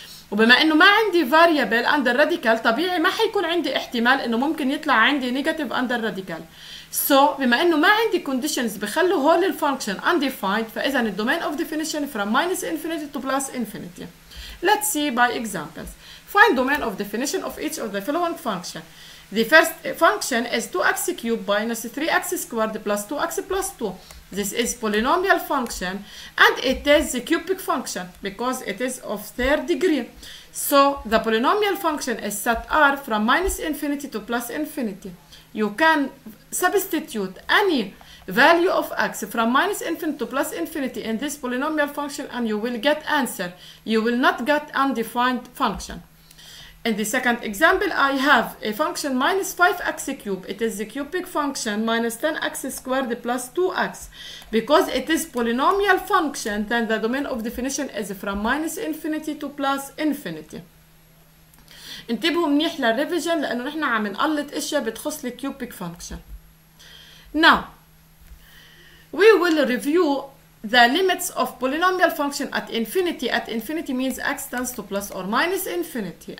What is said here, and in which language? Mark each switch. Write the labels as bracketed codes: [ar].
[ar] وبما انه ما عندي فاريبل اندر راديكال، طبيعي ما حيكون عندي احتمال انه ممكن يطلع عندي نيجاتيف اندر راديكال. [en] So [ar] بما انه ما عندي [en] conditions [ar] بخلوا هول الفانكشن [en] undefined، [ar] فاذا [en] الدومين of definition from minus infinity to plus infinity. Let's see by examples. Find domain of definition of each of the following function. The first function is 2x cubed minus 3x squared plus 2x plus 2. This is polynomial function and it is the cubic function because it is of third degree. So the polynomial function is set R from minus infinity to plus infinity. You can substitute any value of x from minus infinity to plus infinity in this polynomial function and you will get answer. You will not get undefined function. In the second example, I have a function minus 5x cubed. It is the cubic function minus 10x squared plus 2x. Because it is polynomial function, then the domain of definition is from minus infinity to plus infinity. [ar] انتبهوا منيح للريفيجن لانه نحن عم نقلط اشياء بتخص الكيوبيك فانكشن. [en] Now we will review the limits of polynomial function at infinity. At infinity means x tends to plus or minus infinity.